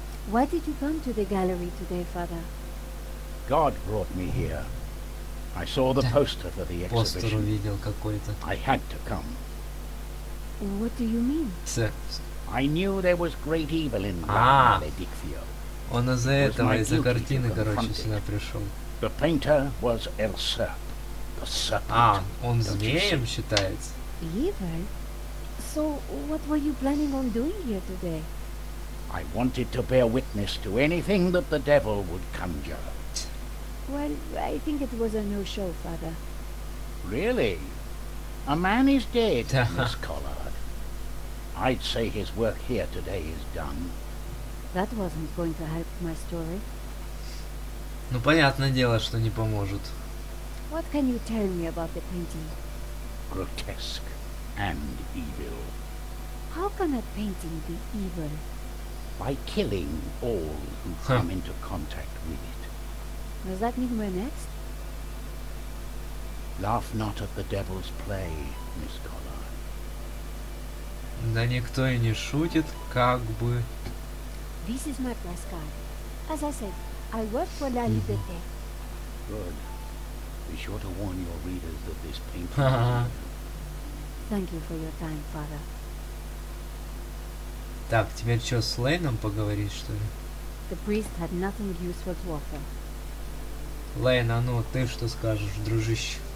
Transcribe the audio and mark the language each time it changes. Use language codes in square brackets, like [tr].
[en] Why did you come to the gallery today, Father? God brought me here. I saw the poster for the exhibition. I had to come. What do you mean? I knew there was great evil in Maledicfio. [ru] Он из-за этого, из-за картины, короче, сюда пришел. [en] The painter was Elsa, the serpent. [ru] Он змеем считается. [en] Evil? So what were you planning on doing here today? I wanted to bear witness to anything that the devil would conjure. Well, I think it was a no-show, Father. Really? A man is dead, Miss Collard. I'd say his work here today is done. That wasn't going to help my story. [ru] Ну, понятное дело, что не поможет. [en] What can you tell me about the painting? Grotesque and evil. How can a painting be evil? By killing all who come into contact with it. Does that mean we're next? Laugh not at the devil's play, Miss Collard. [ru] Да никто и не шутит, как бы. [en] This is my press card. As I said, I work for La Liberté. Good. Be sure to warn your readers that this painting is real. Thank you for your time, Father. [ru] Так, теперь что, с Лейном поговорить, что ли? [en] The priest had nothing useful to offer. [ru] Лейн, а ну, ты что скажешь, дружище?